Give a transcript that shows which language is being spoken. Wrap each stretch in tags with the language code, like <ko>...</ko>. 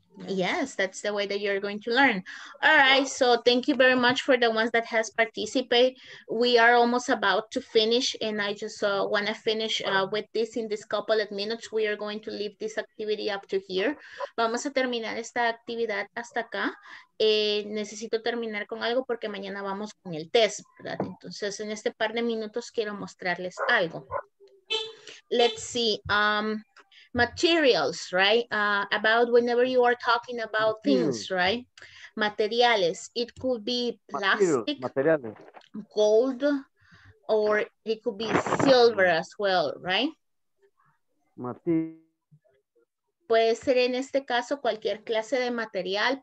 <en>Yes, that's the way that you're going to learn. All right, so thank you very much for the ones that has participated. We are almost about to finish, and I just want to finish with this in this couple of minutes. We are going to leave this activity up to here.</en> <es>Vamos a terminar esta actividad hasta acá. Necesito terminar con algo porque mañana vamos con el test, ¿verdad? Entonces, en este par de minutos quiero mostrarles algo.</es> <en>Let's see. Materials, right? About whenever you are talking about things, right? Materiales. It could be plastic, gold, or it could be silver as well, right?</en> <es>Puede ser en este caso cualquier clase de material.</es>